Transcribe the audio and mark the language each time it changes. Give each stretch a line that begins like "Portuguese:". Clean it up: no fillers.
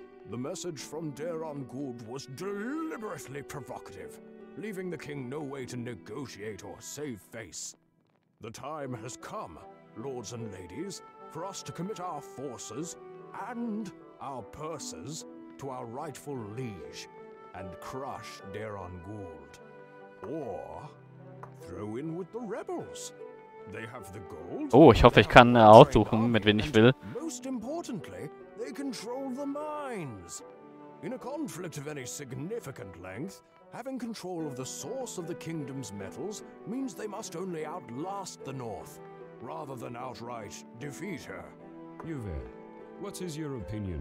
English: The message from Daron Gould was deliberately provocative, leaving the king no way to negotiate or save face. The time has come, lords and ladies, for us to commit our forces and our purses to our rightful liege and crush Daron Gould. Or throw in with the rebels. They have the gold.
German: Oh, ich hoffe, ich kann aussuchen, mit wem ich will.
English: Most importantly, they control the mines. In a conflict of any significant length, having control of the source of the kingdom's metals means they must only outlast the North, rather than outright defeat her. Juve, what is your opinion